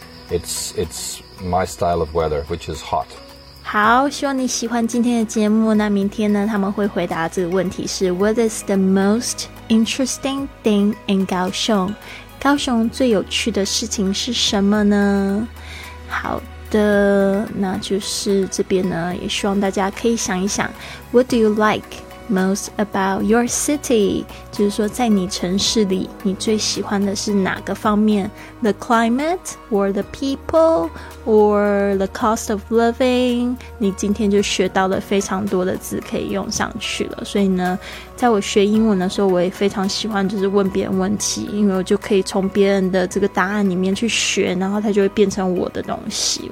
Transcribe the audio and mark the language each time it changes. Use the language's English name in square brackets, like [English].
[English] It's my style of weather, which is hot. [Chinese] 好，希望你喜欢今天的节目。那明天呢，他们会回答这个问题是 [English] What is the most interesting thing in 高雄？ [Chinese] 高雄最有趣的事情是什么呢？好的，那就是这边呢，也希望大家可以想一想 [English] What do you like most about your city? [Chinese] 就是说在你城市里，你最喜欢的是哪个方面？ [English] The climate or the people? Or the cost of living, [Chinese] 你今天就学到了非常多的字可以用上去了。所以呢，在我学英文的时候，我也非常喜欢就是问别人问题，因为我就可以从别人的这个答案里面去学，然后它就会变成我的东西。